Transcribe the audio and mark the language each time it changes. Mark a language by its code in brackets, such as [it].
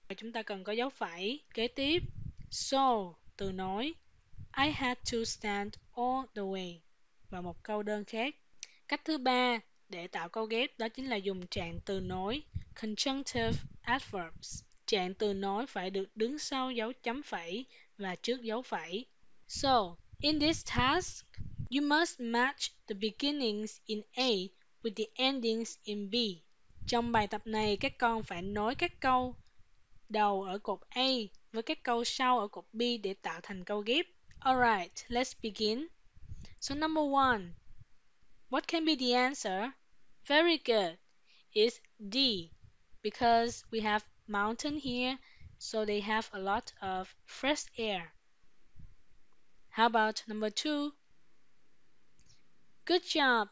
[vi] Chúng ta cần có dấu phẩy. Kế tiếp, so, từ nói, [en] I had to stand all the way. [vi] Và một câu đơn khác. Cách thứ ba để tạo câu ghép đó chính là dùng trạng từ nói, conjunctive adverbs. Trạng từ nói phải được đứng sau dấu chấm phẩy và trước dấu phẩy. [en] So, in this task, you must match the beginnings in A with the endings in B. [vi] Trong bài tập này, các con phải nối các câu đầu ở cột A với các câu sau ở cột B để tạo thành câu ghép. [en] Alright, let's begin. So number one, what can be the answer? Very good. It's D, because we have mountain here, so they have a lot of fresh air. How about number two? Good job.